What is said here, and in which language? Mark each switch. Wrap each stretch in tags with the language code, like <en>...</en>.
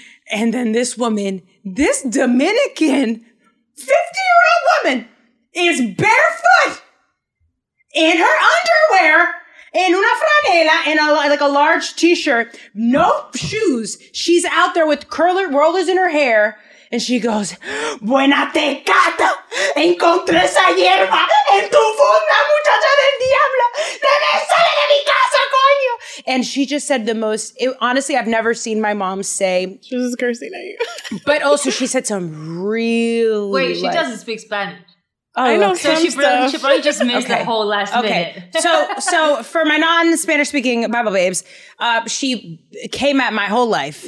<en>And then this woman, this Dominican 50-year-old woman is barefoot in her underwear and</en> <es>una franela</es> <en>and a large t-shirt, no shoes. She's out there with curler rollers in her hair. And she goes,</en> <es>buena tecata, encontré esa hierba en tu funda, muchacha del diablo. Debes salir de mi casa, coño.</es> <en>And she just said the most, honestly, I've never seen my mom say. She was cursing at you. But also she said some really. Wait, she doesn't speak Spanish. Oh, I know, okay. She probably just missed the whole last minute. So for my non-Spanish speaking Bible babes, she came at my whole life.</en>